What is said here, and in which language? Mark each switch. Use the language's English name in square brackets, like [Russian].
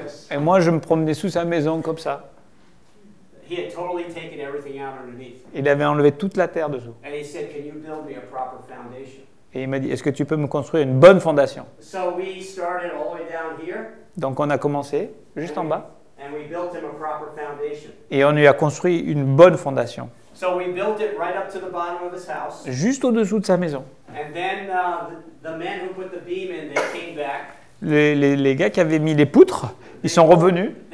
[French] Et moi, je me promenais sous sa maison comme ça. [English] He had totally taken everything out underneath. [French] Il avait enlevé toute la terre dessous. [English] And he said, "Can you build me a proper foundation?" [French] Et il m'a dit, est-ce que tu peux me construire une bonne fondation? [English] So we started all the way down here. [French] Donc on a commencé juste en bas. [English] And we built him a proper foundation. [French] Et on lui a construit une bonne fondation. [English] So we built it right up to the bottom of his house. [French] Juste au-dessous de sa maison. [English] And then the men who put the beam in, they came back. [French] Les gars qui avaient mis les poutres, ils sont revenus.